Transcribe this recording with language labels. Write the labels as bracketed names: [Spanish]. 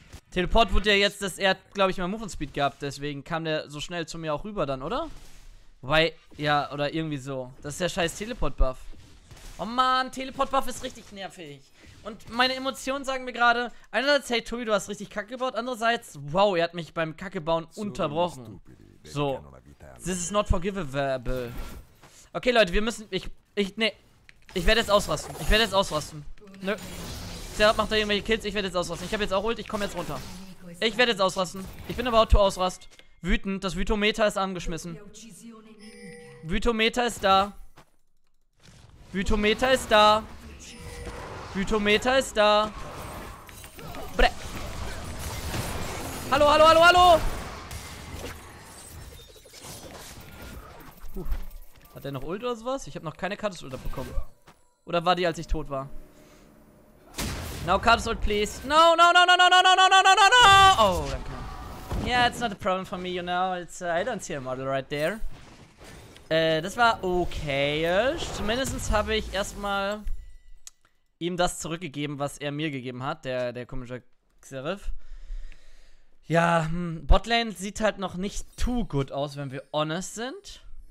[German] Teleport wurde ja jetzt, dass er, glaube ich, mal Move-and-Speed gehabt, deswegen kam der so schnell zu mir auch rüber dann, oder? Wobei, ja, oder irgendwie so. Das ist der scheiß Teleport-Buff. Oh man, Teleport-Buff ist richtig nervig. Und meine Emotionen sagen mir gerade, einerseits, hey Tobi, du hast richtig Kacke gebaut, andererseits, wow, er hat mich beim Kackebauen unterbrochen. [English] So, this is not forgivable. [German] Okay, Leute, wir müssen, ich werde jetzt ausrasten. Ich werde jetzt ausrasten. Nö. Der macht da irgendwelche Kills, ich werde jetzt ausrasten. Ich habe jetzt auch geholt, ich komme jetzt runter. Ich werde jetzt ausrasten. Ich bin [English] about to [German] ausrast. Wütend, das Vytometer ist angeschmissen. Vytometer ist da. Vytometer ist da. Vytometer ist da. Bre. Hallo, hallo, hallo, hallo. Hat der noch Ult oder sowas? Ich habe noch keine Katus Ult bekommen. Oder war die, als ich tot war? [English] Now Katus Ult, please. No, no, no, no, no, no, no, no, no, no, no, no. [German] Oh, danke. [English] Yeah, it's not a problem for me, you know. It's I don't see a model right there. [German] Das war okay-ish. Zumindest habe ich erstmal ihm das zurückgegeben, was er mir gegeben hat, der komische Xerif. Ja, Botlane sieht halt noch nicht [English] too good [German] aus, wenn wir [English] honest [German] sind.